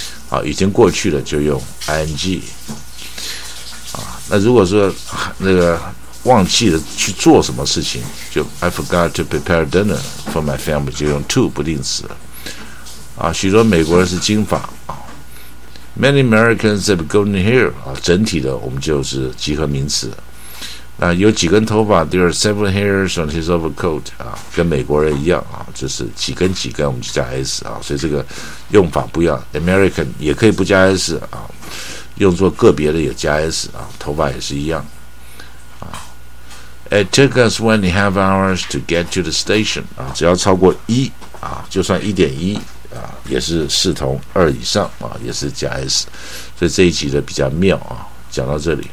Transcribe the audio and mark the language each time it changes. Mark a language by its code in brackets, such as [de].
[zh] 啊，已经过去了就用 ing。啊，那如果说那个忘记了去做什么事情，就 [en] I forgot to prepare dinner for my family， [zh] 就用 to 不定词。 [en] 啊， [zh] 许多美国人是金发。 [en] 啊，Many Americans have golden hair。 [zh] 啊，整体的我们就是集合名词。 [en] 啊， [zh] 有几根头发 [en] ？There are several hairs on his overcoat。 [zh] 啊，跟美国人一样啊，就是几根几根，我们就加 s 啊，所以这个用法不一样。 American 也可以不加 s 啊，用作个别的也加 s 啊，头发也是一样。 [en] 啊 ，It took us 1.5 hours to get to the station。 [zh] 啊，只要超过一啊，就算1.1啊，也是视同二以上啊，也是加 s。所以这一集的比较妙啊，讲到这里。